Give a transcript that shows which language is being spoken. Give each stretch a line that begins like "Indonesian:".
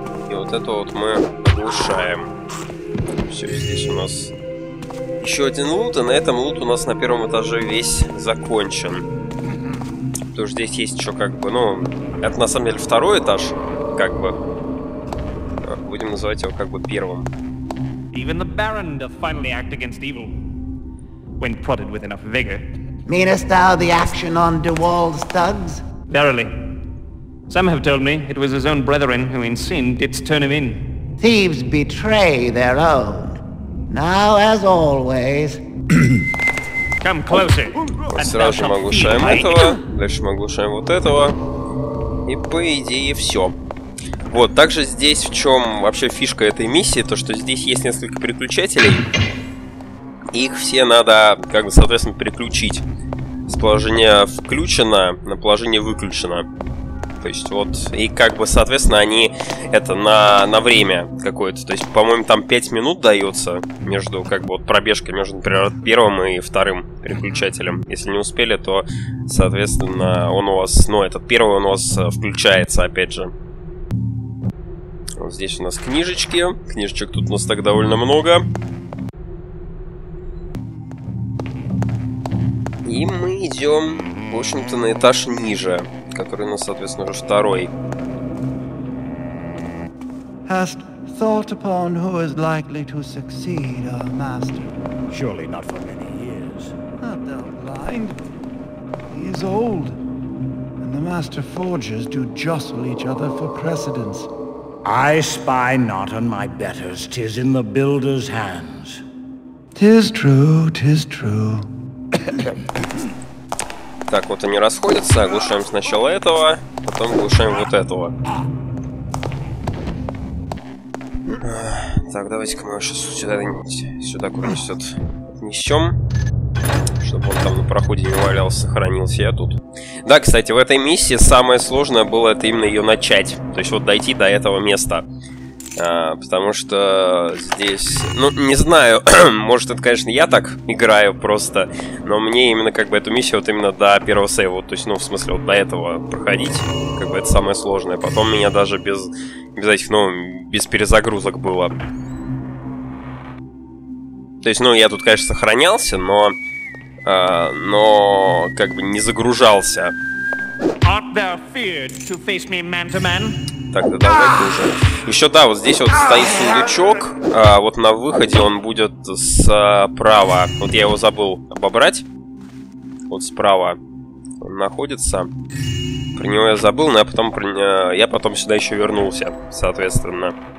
Russian: И вот это вот мы оглушаем. Все, здесь у нас еще один лут. И на этом лут у нас на первом этаже весь закончен. Потому что здесь есть еще как бы, ну... Это на самом деле второй этаж, как бы. Будем называть его как бы первым.
English: Even the Baron doth finally act against evil. When prodded with enough vigor. Meanest thou the action on De Wall's thugs? Verily. Some have told me it was his own brethren who in sin didst turn him in. Thieves betray their own. Now as always. Come closer.
Russian: Вот сразу же мы оглушаем этого. Дальше мы оглушаем вот этого. И по идее все. Вот, также здесь в чем вообще фишка этой миссии, то что здесь есть несколько переключателей. Их все надо, как бы, соответственно, переключить. С положения включено на положение выключено. То есть вот, и как бы, соответственно, они это на время какое-то. То есть, по-моему, там 5 минут дается между, как бы, вот пробежкой между, например, первым и вторым переключателем. Если не успели, то, соответственно, он у вас, ну, этот первый он у вас включается, опять же. Вот здесь у нас книжечки. Книжечек тут у нас так довольно много. И мы идем, в общем-то, на этаж ниже. Который у нас, соответственно, уже второй.
English: Hast thought upon who is likely to succeed our master? Surely not for many years. Not thou blind. He is old. And the master forgers do jostle each other for precedence. I spy not on my betters. Tis in the builder's hands. Tis true, tis true.
Russian: Так, вот они расходятся, оглушаем сначала этого, потом оглушаем вот этого. Так, давайте-ка мы его сейчас сюда отнесем, чтобы он там на проходе не валялся, хранился я тут. Да, кстати, в этой миссии самое сложное было это именно ее начать, то есть вот дойти до этого места. Потому что здесь, ну, не знаю, может, это, конечно, я так играю просто, но мне именно как бы эту миссию вот именно до первого сейва, то есть, ну, в смысле, вот до этого проходить, как бы это самое сложное. Потом меня даже без этих, ну, без перезагрузок было. То есть, ну, я тут, конечно, сохранялся, но как бы не загружался.
English: Art thou feared to face me man to man?
Russian: Так, да, давай уже. Еще да, вот здесь вот стоит сундучок, а вот на выходе он будет справа. Вот я его забыл обобрать. Вот справа он находится. Про него я забыл, но я потом сюда еще вернулся, соответственно.